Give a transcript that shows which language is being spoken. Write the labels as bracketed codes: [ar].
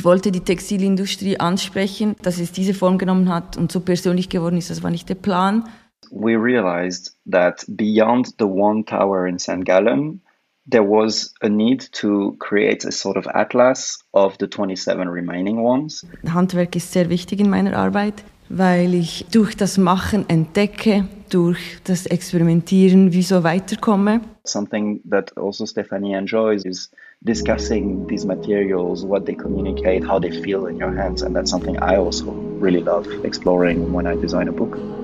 [de] wollte die Textilindustrie ansprechen, dass es diese Form genommen hat und so persönlich geworden ist. Das war nicht der Plan. [en] We realized that beyond the one tower in St. Gallen, there was a need to create a sort of atlas of the 27 remaining ones. [de] Handwerk ist sehr wichtig in meiner Arbeit, weil ich durch das Machen entdecke, durch das Experimentieren, wie so weiterkomme. [en] Something that also Stephanie enjoys is discussing these materials, what they communicate, how they feel in your hands, and that's something I also really love exploring when I design a book.